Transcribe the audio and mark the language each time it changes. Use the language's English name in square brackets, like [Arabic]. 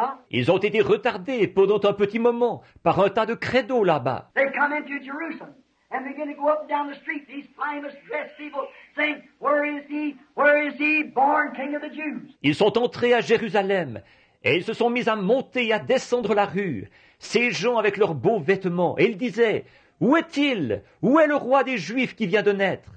[French] Ils ont été retardés pendant un petit moment par un tas de credos là-bas. [English] They come into Jerusalem. And they're going to go up and down the street, these famous dressed people, saying, where is he? Where is he? Born king of the Jews. [French] Ils sont entrés à Jérusalem, et ils se sont mis à monter et à descendre la rue, ces gens avec leurs beaux vêtements. Et ils disaient, où est-il? Où est le roi des Juifs qui vient de naître?